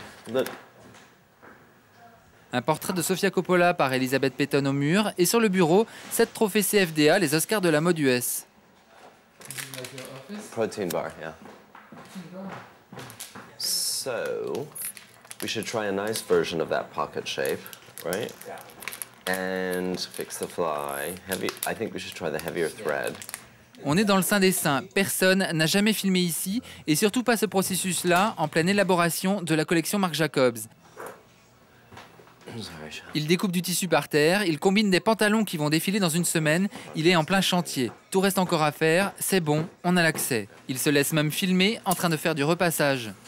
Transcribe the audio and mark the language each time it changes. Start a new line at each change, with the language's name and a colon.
English: Good.
French: Un portrait de Sofia Coppola par Elisabeth Peyton au mur, et sur le bureau, 7 trophées CFDA, les Oscars de la mode US.
English: Protein bar, yeah. So, we should try a nice version of that pocket shape, right? Yeah. And fix the fly. Heavy, I think we should try the heavier thread.
French: On est dans le sein des saints. Personne n'a jamais filmé ici, et surtout pas ce processus-là, en pleine élaboration de la collection Marc Jacobs. Il découpe du tissu par terre, il combine des pantalons qui vont défiler dans une semaine, il est en plein chantier. Tout reste encore à faire, c'est bon, on a l'accès. Il se laisse même filmer en train de faire du repassage.